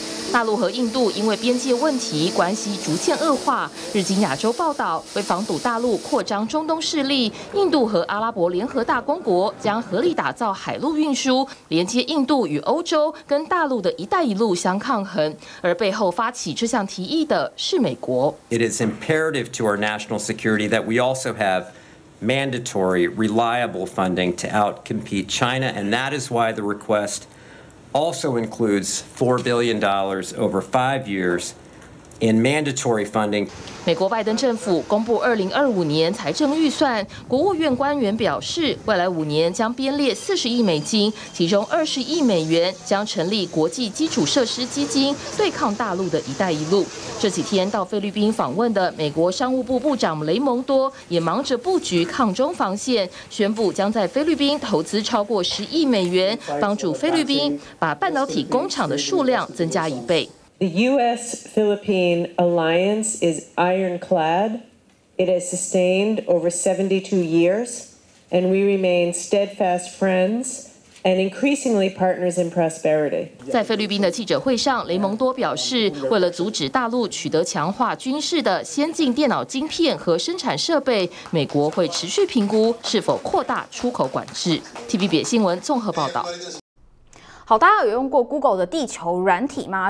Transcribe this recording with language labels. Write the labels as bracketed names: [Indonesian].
[Chinese] 大陆和印度因为边界问题关系逐渐恶化。日经亚洲报道，为防堵大陆扩张中东势力，印度和阿拉伯联合大公国将合力打造海陆运输，连接印度与欧洲，跟大陆的一带一路相抗衡。而背后发起这项提议的是美国。 [English] It is imperative to our national security that we also have mandatory, reliable funding to outcompete China, and that is why the request.Also includes $4 billion over 5 years in mandatory funding. [Chinese] 美国拜登政府公布2025年财政预算，国务院官员表示，未来五年将编列40亿美金，其中20亿美元将成立国际基础设施基金，对抗大陆的一带一路。这几天到菲律宾访问的美国商务部部长雷蒙多也忙着布局抗中防线，宣布将在菲律宾投资超过10亿美元，帮助菲律宾把半导体工厂的数量增加一倍。 [English] The U.S.-Philippine alliance is ironclad. It has sustained over 72 years, and we remain steadfast friends and increasingly partners in prosperity. [Chinese] 在菲律宾的记者会上，雷蒙多表示，为了阻止大陆取得强化军事的先进电脑晶片和生产设备，美国会持续评估是否扩大出口管制。 TVB 新闻综合报道。好，大家有用过 Google 的地球软体吗？